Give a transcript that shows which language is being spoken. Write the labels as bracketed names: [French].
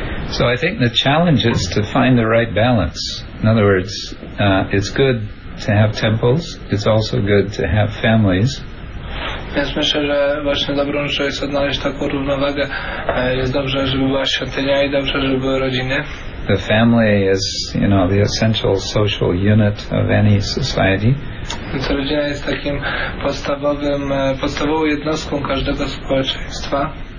[English] So I think the challenge is to find the right balance. In other words, it's good to have temples, it's also good to have families. [Polish] Więc myślę, że właśnie dobrą rzeczą jest odnaleźć taką równowagę. Jest dobrze, żeby była świątynia i dobrze, żeby były rodziny. [English] The family is, you know, the essential social unit of any society. [Polish] Więc rodzina jest takim podstawową jednostką każdego społeczeństwa.